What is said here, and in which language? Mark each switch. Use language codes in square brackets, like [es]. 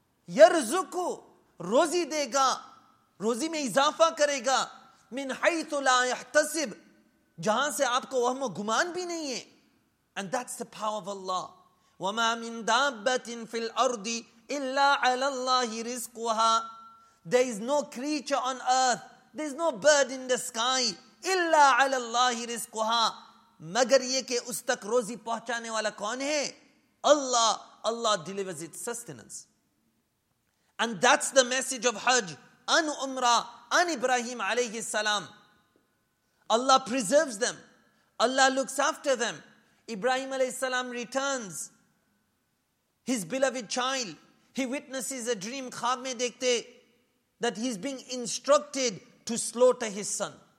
[ur] Yarzuku, rozi dega, rozi mein izafa karega, [ar] min haythu la yahtasib, [ur] jahan se aapko wahm o gumaan bhi nahi hai. [en] And that's the power of Allah. [ar] وَمَا مِن دَابَّةٍ فِي الْأَرْضِ إِلَّا عَلَى اللَّهِ رِزْقُهَا. [en] There is no creature on earth. There is no bird in the sky. [ar] إِلَّا عَلَى اللَّهِ رِزْقُهَا. [ur] مگر یہ کہ اس تک روزی پہنچانے والا کون ہے؟ Allah. [en] Allah delivers its sustenance. And that's the message of Hajj. An Umrah. An Ibrahim alayhi salam. Allah preserves them. Allah looks after them. Ibrahim alayhi salam returns. His beloved child, he witnesses a dream, [ur] khwab mein dekhte, [en] that he's being instructed to slaughter his son.